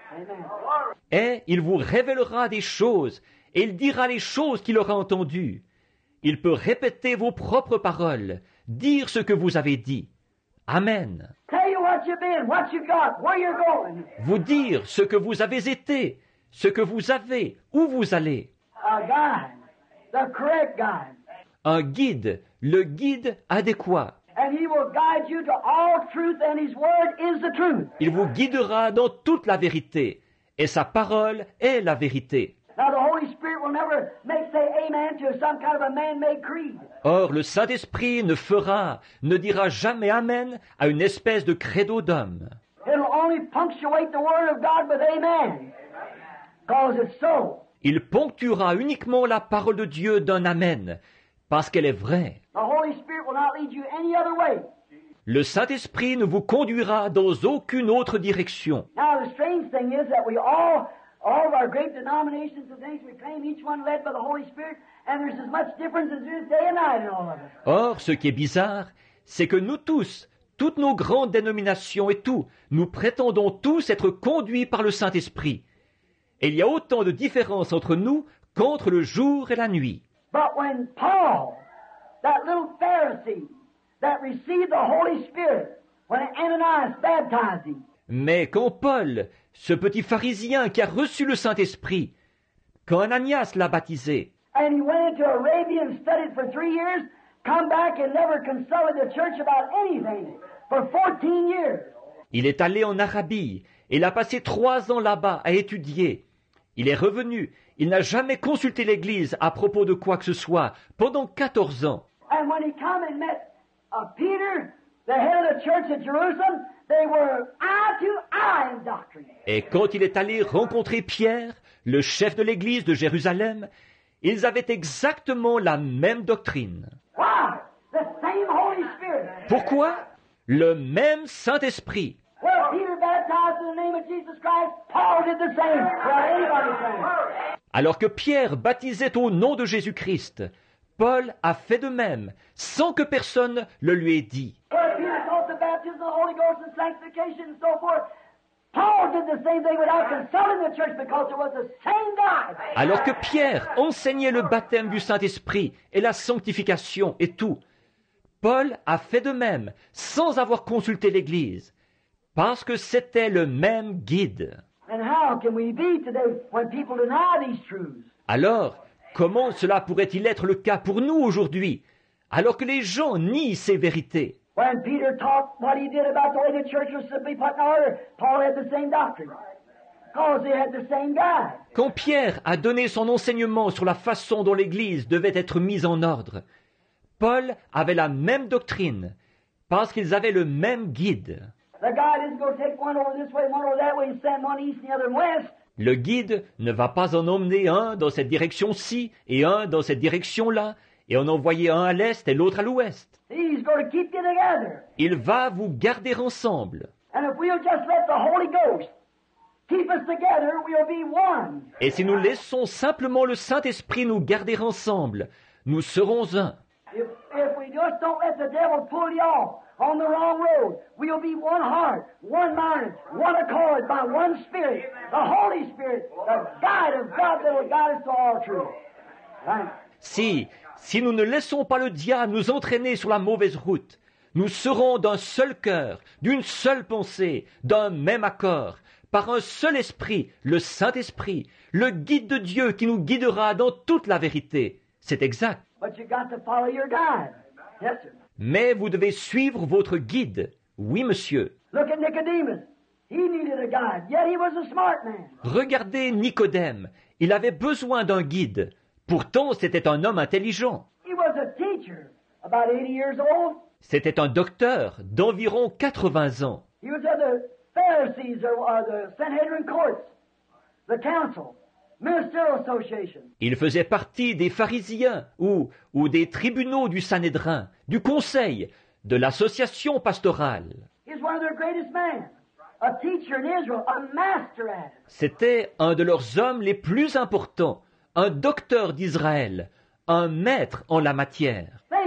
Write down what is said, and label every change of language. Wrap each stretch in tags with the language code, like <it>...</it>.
<en>Amen.</en> <fr>Et il vous révélera des choses et il dira les choses qu'il aura entendues. Il peut répéter vos propres paroles, dire ce que vous avez dit. Amen.</fr> <en>Tell you what you've been, what you've got, where you're going.</en> <fr>Vous dire ce que vous avez été, ce que vous avez, où vous allez.</fr> <en>A guide, the correct guide.</en> <fr>Un guide, le guide adéquat.</fr> <en>And he will guide you to all truth, and his word is the truth.</en> <fr>Il vous guidera dans toute la vérité, et sa parole est la vérité.</fr> <en>Now the Holy Spirit will never make say amen to some kind of a man-made creed.</en> <fr>Or, le Saint-Esprit ne dira jamais amen à une espèce de credo d'homme.</fr> <en>It'll only punctuate the word of God with amen. Because it's so.</en> <fr>Il ponctuera uniquement la parole de Dieu d'un amen, parce qu'elle est vraie.</fr> <en>The Holy Spirit will not lead you any other way.</en> <fr>Le Saint-Esprit ne vous conduira dans aucune autre direction.</fr> <en>Now the strange thing is that we all of our great denominations and things, we claim each one led by the Holy Spirit, and there's as much difference as there is day and night in all of us.</en> <fr>Or, ce qui est bizarre, c'est que nous tous, toutes nos grandes dénominations et tout, nous prétendons tous être conduits par le Saint-Esprit. Et il y a autant de différence entre nous qu'entre le jour et la nuit.</fr> <en>But when Paul, that little Pharisee, that received the Holy Spirit, when Ananias baptized him.</en> <fr>Mais quand Paul, ce petit pharisien qui a reçu le Saint-Esprit, quand Ananias l'a baptisé,</fr> <en>and he went into Arabia and studied for 3 years, come back and never consulted the church about anything for 14 years.</en> <fr>Il est allé en Arabie et il a passé 3 ans là-bas à étudier. Il est revenu, il n'a jamais consulté l'Église à propos de quoi que ce soit pendant 14 ans.</fr> <en>And when he came and met Peter, the head of the church at Jerusalem, they were eye to eye in doctrine.</en> <fr>Et quand il est allé rencontrer Pierre, le chef de l'Église de Jérusalem, ils avaient exactement la même doctrine.</fr> <en>Why? The same Holy Spirit.</en> <fr>Pourquoi? Le même Saint-Esprit.</fr> <en>Well, Peter baptized in the name of Jesus Christ, Paul did the same. Well, anybody can.</en> <fr>Alors que Pierre baptisait au nom de Jésus-Christ, Paul a fait de même, sans que personne le lui ait dit.</fr> <en>Well, Peter taught the baptism of the Holy Ghost and sanctification and so forth. Paul did the same thing without consulting the church because it was the same God.</en> <fr>Alors que Pierre enseignait le baptême du Saint-Esprit et la sanctification et tout, Paul a fait de même sans avoir consulté l'Église, parce que c'était le même guide.</fr> <en>And how can we be today when people deny these truths?</en> <fr>Alors, comment cela pourrait-il être le cas pour nous aujourd'hui, alors que les gens nient ces vérités?</fr> <en>When Peter taught what he did about the way the church was simply put in order, Paul had the same doctrine. Because they had the same God.</en> <fr>Quand Pierre a donné son enseignement sur la façon dont l'Église devait être mise en ordre, Paul avait la même doctrine, parce qu'ils avaient le même guide.</fr> <en>The God isn't going to take one over this way, one over that way, and send one east and the other west.</en> <fr>Le guide ne va pas en emmener un dans cette direction-ci et un dans cette direction-là, et en envoyer un à l'est et l'autre à l'ouest.</fr> <en>He's going to keep you together.</en> <fr>Il va vous garder ensemble.</fr> <en>And if we'll just let the Holy Ghost keep us together, we'll be one.</en> <fr>Et si nous laissons simplement le Saint-Esprit nous garder ensemble, nous serons un.</fr> <en>If we just don't let the devil pull you off on the wrong road, we'll be one heart, one mind, one accord by one Spirit, the Holy Spirit, the guide of God that will guide us to all truth.</en> <fr>Si nous ne laissons pas le diable nous entraîner sur la mauvaise route, nous serons d'un seul cœur, d'une seule pensée, d'un même accord, par un seul esprit, le Saint-Esprit, le guide de Dieu qui nous guidera dans toute la vérité. C'est exact.</fr> <en>But you got to follow your guide. Yes, sir.</en> <fr>Mais vous devez suivre votre guide. Oui, monsieur.</fr> <en>Look at Nicodemus. He needed a guide, yet he was a smart man.</en> <fr>Regardez Nicodème. Il avait besoin d'un guide. Pourtant, c'était un homme intelligent.</fr> <en>He was a teacher, about 80 years old.</en> <fr>C'était un docteur d'environ 80 ans.</fr> <en>He was at the Pharisees or the Sanhedrin courts, the council, ministerial association.</en> <fr>Il faisait partie des pharisiens ou des tribunaux du Sanhédrin, du conseil, de l'association pastorale.</fr> <en>He's one of their greatest men, a teacher in Israel, a master at it.</en> <fr>C'était un de leurs hommes les plus importants. Un docteur d'Israël, un maître en la matière.</fr>